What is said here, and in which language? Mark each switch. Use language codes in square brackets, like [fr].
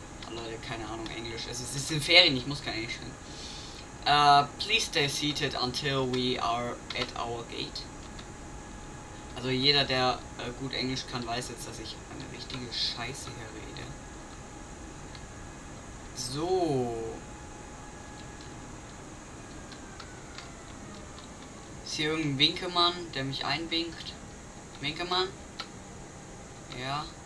[de] Oh, Leute, keine Ahnung, Englisch. Es sind Ferien, ich muss kein Englisch hören. [en] Please stay seated until we are at our gate. [de] Also jeder, der gut Englisch kann, weiß jetzt, dass ich eine richtige Scheiße hier rede. So. Ist hier irgendein Winkemann, der mich einwinkt? Winkemann? Ja.